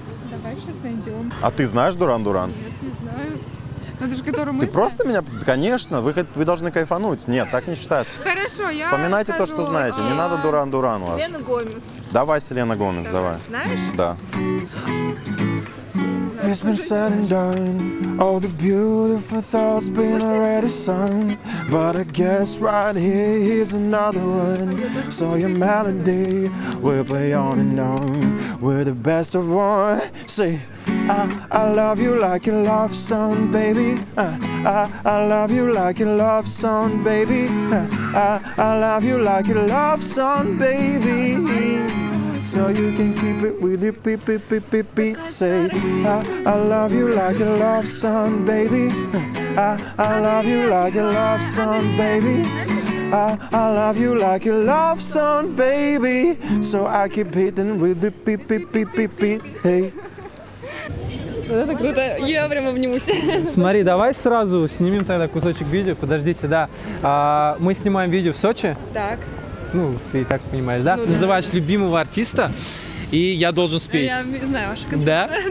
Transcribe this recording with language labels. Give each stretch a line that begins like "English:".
Russian: Давай сейчас найдем. А ты знаешь Дуран? Нет, не знаю. Это же, который мы ты знаем. Просто меня... Конечно, вы должны кайфануть. Нет, так не считается. Хорошо, я вспоминайте скажу. То, что знаете. Не надо Дуран вас. Селена Гомес. Давай, Селена Гомес, давай. Знаешь? Да.
English: It's been said and done. All the beautiful thoughts been already sung. But I guess right here here's another one. So your melody will play on and on. We're the best of one. See, I love you like a love song, baby. I love you like a love song, baby. I love you like a love song, baby. So you can keep it with your beep beep beep beep beat. Say I love you like a love song, baby. I love you like a love song, baby. I love you like a love song, baby. So I keep hitting with your beep beep beep beep beat. Hey.
Russian: Вот это круто, я прям обнимусь. Смотри, давай сразу снимем тогда кусочек видео. Подождите, да. Мы снимаем видео в Сочи. Так. Ну, ты и так понимаешь, да? Ну, называешь да. Любимого артиста, и я должен спеть. Я не знаю вашу концепцию.